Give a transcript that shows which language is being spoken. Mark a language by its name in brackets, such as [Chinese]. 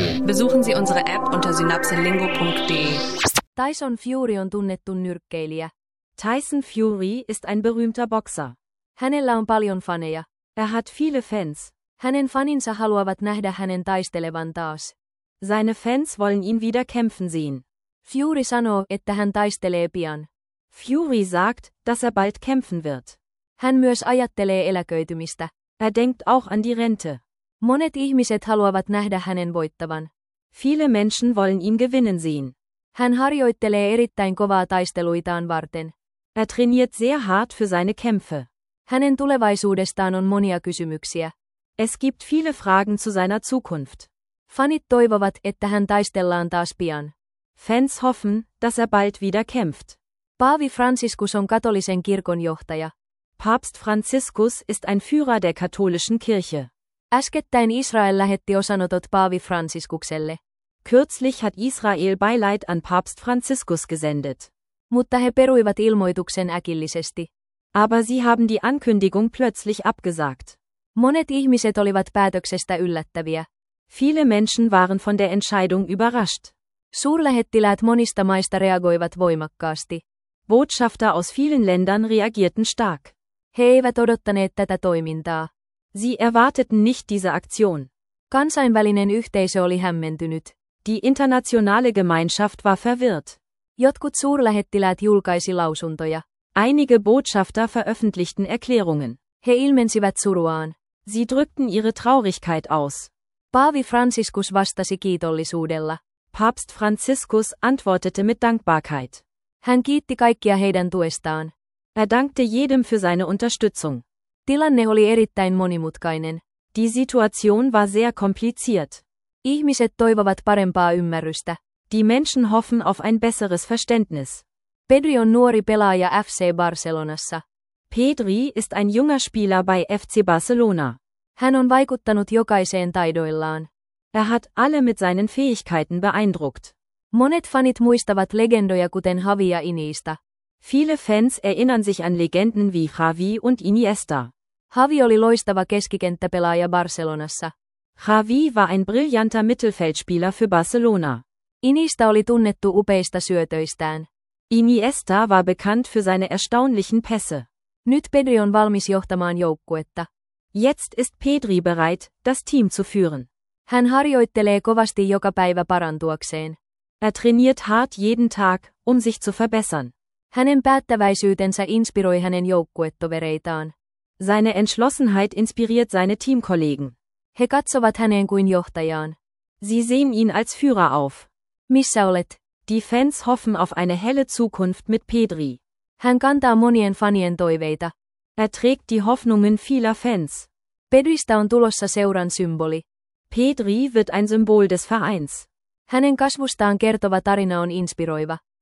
[German] Besuchen Sie unsere App unter synapselingo.de. [Finnish] Tyson Fury on tunnettu nyrkkeilijä. [German] Tyson Fury ist ein berühmter Boxer. [Finnish] Hänellä on paljon faneja. [German] Er hat viele Fans. [Finnish] Hänen faninsa haluavat nähdä hänen taistelevan taas. [German] Seine Fans wollen ihn wieder kämpfen sehen. [Finnish] Fury sanoo, että hän taistelee pian. [German] Fury sagt, dass er bald kämpfen wird. [Finnish] Hän myös ajattelee eläköitymistä. [German] Er denkt auch an die Rente. [Finnish] Monet ihmiset haluavat nähdä hänen voittavan. [German] Viele Menschen wollen ihn gewinnen sehen. [Finnish] Hän harjoittelee erittäin kovaa taisteluitaan varten. [German] Er trainiert sehr hart für seine Kämpfe. [Finnish] Hänen tulevaisuudestaan on monia kysymyksiä. [German] Es gibt viele Fragen zu seiner Zukunft. [Finnish] Fanit toivovat, että hän taistellaan taas pian. [German] Fans hoffen, dass er bald wieder kämpft. [Finnish] Paavi Franziskus on katolisen kirkon johtaja. [German] Papst Franziskus ist ein Führer der katholischen Kirche. [Finnish] Äskettäin Israel lähetti osanotot Paavi Franziskukselle. [German] Kürzlich hat Israel Beileid an Papst Franziskus gesendet. [Finnish] Mutta he peruivat ilmoituksen äkillisesti. [German] Aber sie haben die Ankündigung plötzlich abgesagt. [Finnish] Monet ihmiset olivat päätöksestä yllättäviä. [German] Viele Menschen waren von der Entscheidung überrascht. [Finnish] Suurlähettiläät monista maista reagoivat voimakkaasti. [German] Botschafter aus vielen Ländern reagierten stark. [Finnish] He eivät odottaneet tätä toimintaa. [German] Sie erwarteten nicht diese Aktion. [Finnish] Kansainvälinen yhteisö oli hämmentynyt. [German] Die internationale Gemeinschaft war verwirrt. [Finnish] Jotkut suurlähettiläät julkaisi lausuntoja. [German] Einige Botschafter veröffentlichten Erklärungen. [Finnish] He ilmensivät suruaan. [German] Sie drückten ihre Traurigkeit aus. [Finnish] Paavi Franziskus vastasi kiitollisuudella. [German] Papst Franziskus antwortete mit Dankbarkeit. [Finnish] Hän kiitti kaikkia heidän tuestaan. [German] Er dankte jedem für seine Unterstützung. [Finnish] Tilanne oli erittäin monimutkainen. [German] Die Situation war sehr kompliziert. [Finnish] Ihmiset toivovat parempaa ymmärrystä. [German] Die Menschen hoffen auf ein besseres Verständnis. [Finnish] Pedri on nuori pelaaja FC Barcelonassa. [German] Pedri ist ein junger Spieler bei FC Barcelona. [Finnish] Hän on vaikuttanut jokaiseen taidoillaan. [German] Er hat alle mit seinen Fähigkeiten beeindruckt. [Finnish] Monet fanit muistavat legendoja kuten Xavi ja Iniesta. [German] Viele Fans erinnern sich an Legenden wie Xavi und Iniesta. [Finnish] Xavi oli loistava keskikenttäpelaaja Barcelonassa. [German] Xavi war ein brillanter Mittelfeldspieler für Barcelona. [Finnish] Iniesta oli tunnettu upeista syötöistään. [German] Iniesta war bekannt für seine erstaunlichen Pässe. [Finnish] Nyt Pedri on valmis johtamaan joukkuetta. [German] Jetzt ist Pedri bereit, das Team zu führen. [Finnish] Hän harjoittelee kovasti joka päivä parantuakseen. [German] Er trainiert hart jeden Tag, um sich zu verbessern. [Finnish] Hänen päättäväisyytensä inspiroi hänen joukkuetovereitaan. [German] Seine Entschlossenheit inspiriert seine Teamkollegen. [Finnish] He katsovat häneen kuin johtajaan. [German] Sie sehen ihn als Führer auf. [Finnish] Missä olet? [German] Die Fans hoffen auf eine helle Zukunft mit Pedri. [Finnish] Hän kantaa monien fanien toiveita. [German] Er trägt die Hoffnungen vieler Fans. [Finnish] Pedristä on tulossa seuran symboli. [German] Pedri wird ein Symbol des Vereins. [Finnish] Hänen kasvustaan kertova tarina on inspiroiva.